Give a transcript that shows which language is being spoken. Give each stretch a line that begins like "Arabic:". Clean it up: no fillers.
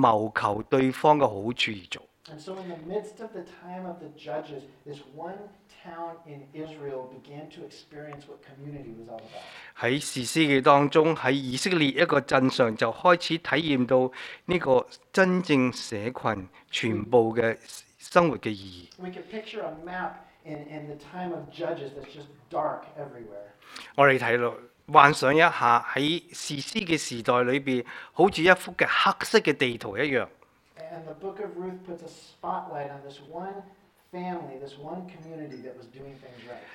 Cantonese: 每一個人所做嘅都係根據上帝所吩咐嘅所做嘅看為正嘅事，係謀求對方嘅好處而做。
English: And so in the midst of the time of the judges, this one town in Israel began to experience what community was all about.
Cantonese: 喺士師記當中，喺以色列一個鎮上就開始體驗到呢個真正社群全部嘅生活嘅意義。
English: We can picture a map in the time of judges that's just dark everywhere.
Cantonese: 我哋睇到，幻想一下喺士師記時代裏邊，好似一幅嘅黑色嘅地圖一樣。
English: And the book of Ruth puts a spotlight on this one family, this one community that was doing things right.